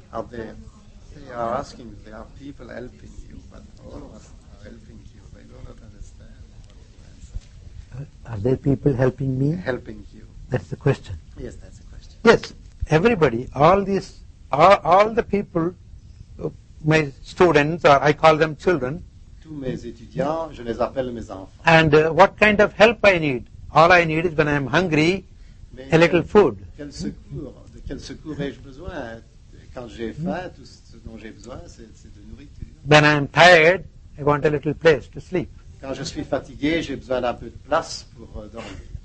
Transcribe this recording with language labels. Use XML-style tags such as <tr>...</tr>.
<en>They are asking, there are people helping you, but all of us are helping you. They do not understand what you answer. Are there people helping me? Helping you. That's the question. Yes, that's the question. Yes, everybody, all the people, my students, or I call them children.</en> <fr>Tous mes étudiants, je les appelle mes enfants.</fr> <en>And what kind of help I need? All I need is when I'm hungry,</en> <fr>mais</fr> <en>a little food.</en> <fr>Quel secours, de quel secours ai-je besoin? Quand j'ai faim, tout ce dont j'ai besoin, c'est de nourriture.</fr> <en>When I'm tired, I want a little place to sleep.</en> <fr>Quand je suis fatigué, j'ai besoin d'un peu de place pour dormir.</fr>